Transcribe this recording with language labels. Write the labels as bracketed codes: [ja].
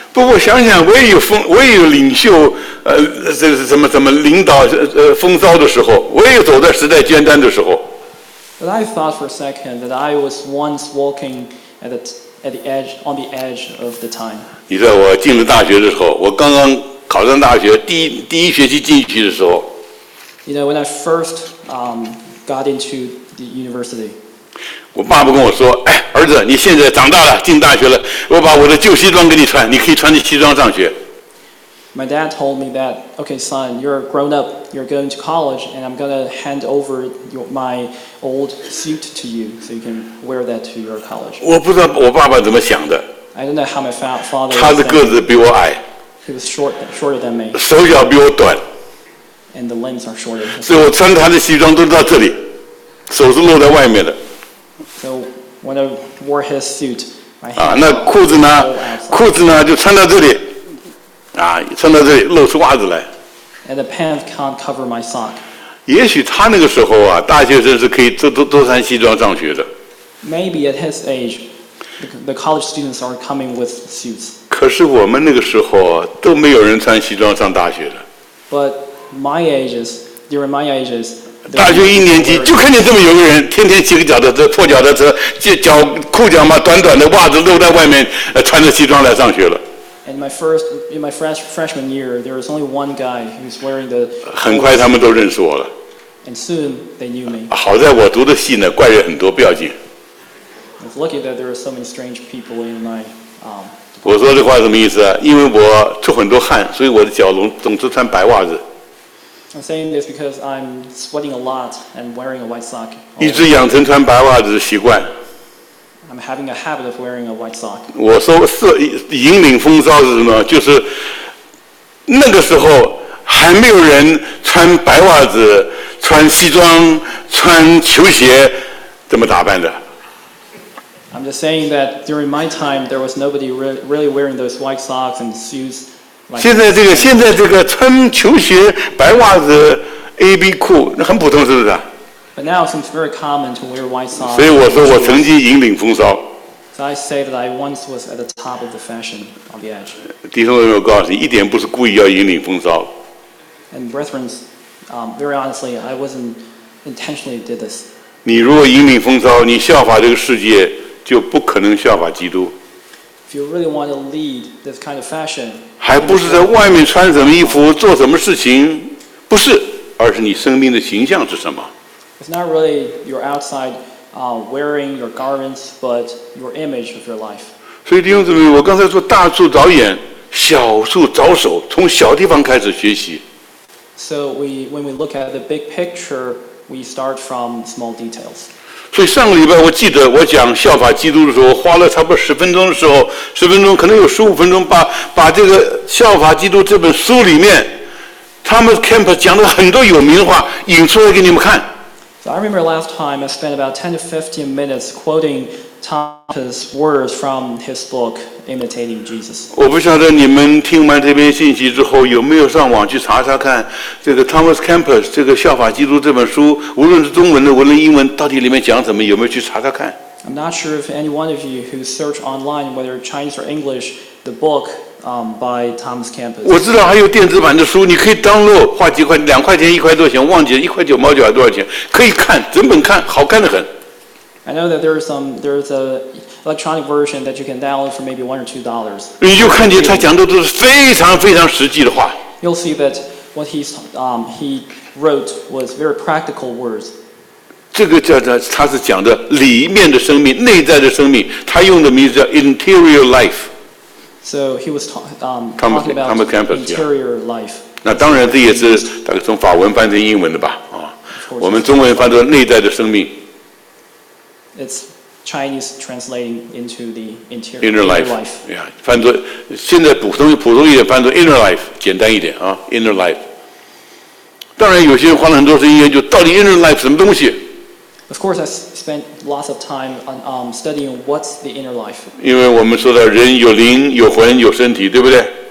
[zh] 不过想想，我也有领袖，这是什么什么领导风骚的时候，我也有走在时代尖端的时候。 [en] But I thought for a second that I was once walking at theon the edge of the time. [zh] 你知道我进了大学的时候，我刚刚考上大学，第一学期进去的时候。 [en] You know, when I first got into the university. [zh] 我爸爸跟我说，哎，儿子，你现在长大了，进大学了，我把我的旧西装给你穿，你可以穿着西装上学。 [en] My dad told me that, okay, son, you're grown up, you're going to college, and I'm going to hand over my old suit to you, so you can wear that to your college. [zh] 我不知道我爸爸怎么想的。 [en] I don't know how my father was thinking. [zh] 他的个子比我矮。 [en] He was shorter than me. [zh] 手脚比我短。 [en] And the limbs are shorter. [zh] 所以我穿他的西装都到这里，手是露在外面的。 [en] So when I wore his suit, my hand was outside. [zh] 啊，那裤子呢？裤子呢？就穿到这里。啊，穿到这里露出袜子来。 [en] And the pants can't cover my sock. [zh] 也许他那个时候啊，大学生是可以都穿西装上学的。 [en] Maybe at his age, the college students are coming with suits. [zh] 可是我们那个时候都没有人穿西装上大学的。 [en] But my ages, during my ages, [zh] 大学一年级就看见这么有个人，天天骑个脚踏车，破脚踏车，裤脚嘛短短的，袜子露在外面，穿着西装来上学了。 [en] And in my freshman year, there was only one guy who was wearing the. [zh] 很快他们都认识我了。 [en] And soon they knew me. [zh] 好在我读的系呢，怪人很多，不要紧。 [en] It's lucky that there are so many strange people in my. [zh] 我说这话什么意思啊？因为我出很多汗，所以我的脚总是穿白袜子。 [en] I'm saying this because I'm sweating a lot and wearing a white sock. [zh] 一直养成穿白袜子的习惯。 [en] I'm having a habit of wearing a white sock. [zh] 我说是引领风骚是什么？就是那个时候还没有人穿白袜子、穿西装、穿球鞋这么打扮的。 [en] I'm just saying that during my time, there was nobody really wearing those white socks and shoes. [zh] 现在这个穿球鞋、白袜子、AB 裤，那很普通，是不是？ [en] But now it seems very common to wear white socks. [zh] 所以我说我曾经引领风骚。 [en] So I say that I once was at the top of the fashion on the edge. [zh] 弟兄们，我告诉你，一点不是故意要引领风骚。 [en] And brethren, very honestly, I wasn't intentionally did this. [zh] 你如果引领风骚，你效法这个世界，就不可能效法基督。 [en] If you really want to lead this kind of fashion, [zh] 还不是在外面穿什么衣服、做什么事情，不是，而是你生命的形象是什么。 [en] It's not really your outside wearing your garments, but your image of your life. [zh] 所以弟兄姊妹，我刚才说大处着眼，小处着手，从小地方开始学习。 [en] So when we look at the big picture, we start from small details. [zh] 所以上个礼拜我记得我讲效法基督的时候，花了差不多十分钟的时候，十分钟可能有十五分钟，把这个效法基督这本书里面 Thomas Kemp 讲了很多有名的话引出来给你们看。 [en] So I remember last time I spent about 10 to 15 minutes quoting Thomas' words from his book, Imitating Jesus. [zh] 我不晓得你们听完这篇信息之后有没有上网去查查看这个 Thomas Kempis 这个效法基督这本书，无论是中文的，无论英文，到底里面讲什么，有没有去查查看？ [en] I'm not sure if any one of you who search online, whether Chinese or English, the book by Thomas Kempis. [zh] 我知道还有电子版的书，你可以 download， 花几块，两块钱一块多钱，忘记了一块九毛九还多少钱，可以看整本看，好看得很。 [en] I know that there's an electronic version that you can download for maybe $1 or $2. [zh] 你就看见他讲的都是非常非常实际的话。 [en] You'll see that what he wrote was very practical words. [zh] 这个叫他是讲的里面的生命，内在的生命。他用的名字叫 interior life。 [en] So he was talking about interior life. [zh] 那当然，这也是大概从法文翻成英文的吧？啊，我们中文翻作内在的生命。 [en] It's Chinese translating into the inner life. [zh] Yeah， 翻作现在普通一点翻作 inner life， 简单一点啊 ，inner life。当然，有些人花了很多时间研究到底 inner life 什么东西。 [en] Of course, I spent lots of time on studying what's the inner life. [zh] 因为我们说的人有灵、有魂、有身体，对不对